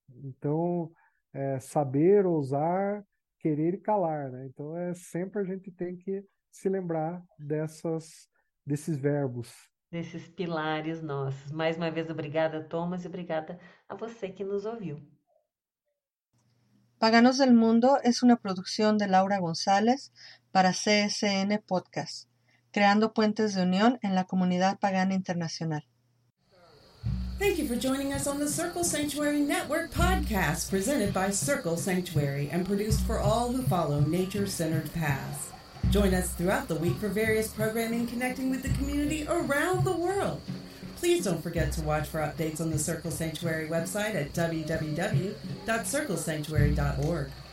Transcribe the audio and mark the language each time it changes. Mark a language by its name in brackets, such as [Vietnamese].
[Portuguese] Então, saber, ousar, querer e calar, né? Então, sempre a gente tem que se lembrar desses verbos. desses pilares nossos. Mais uma vez, obrigada, Thomas, e obrigada a você que nos ouviu. [Spanish] Paganos del Mundo es una producción de Laura González para CSN Podcast, creando puentes de unión en la comunidad pagana internacional. [English] Thank you for joining us on the Circle Sanctuary Network podcast, presented by Circle Sanctuary and produced for all who follow nature-centered paths. Join us throughout the week for various programming connecting with the community around the world. Please don't forget to watch for updates on the Circle Sanctuary website at www.circlesanctuary.org.